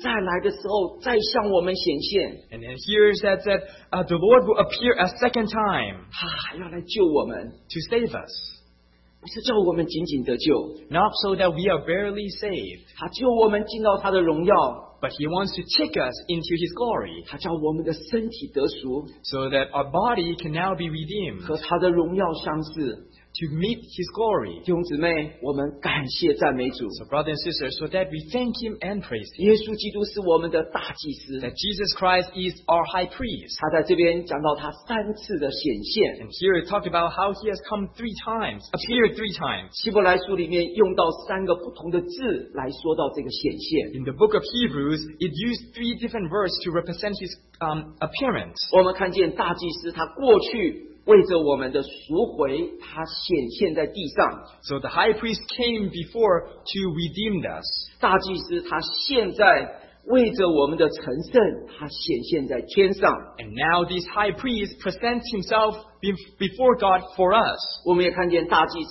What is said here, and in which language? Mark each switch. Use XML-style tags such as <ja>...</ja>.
<zh>但是神儿女在这边，他告诉我们，主再来的时候再向我们显现。</zh> <en>And then here is that, the Lord will appear a second time.</en> <zh>他还要来救我们。</zh> <en>To save us.</en> <zh>不是叫我们仅仅得救。</zh> <en>Not so that we are barely saved.</en> <zh>他救我们进到他的荣耀。</zh> <en>But he wants to take us into his glory. So that our body can now be redeemed.</en> <zh>和他的荣耀相似。</zh> <en>to meet his glory.</en> <zh>弟兄姊妹,</zh> <en>so brothers and sisters, so that we thank him and praise him. That Jesus Christ is our high priest. And here it talks about how he has come three times, appeared three times. In the book of Hebrews, it used three different words to represent his appearance.</en> <zh>我们看见大祭司他过去 为着我们的赎回，他显现在地上。</zh> <en>So the high priest came before to redeem us.</en> <zh>大祭司他现在为着我们的成圣，他显现在天上。</zh> <en>And now this high priest presents himself before God for us.</en>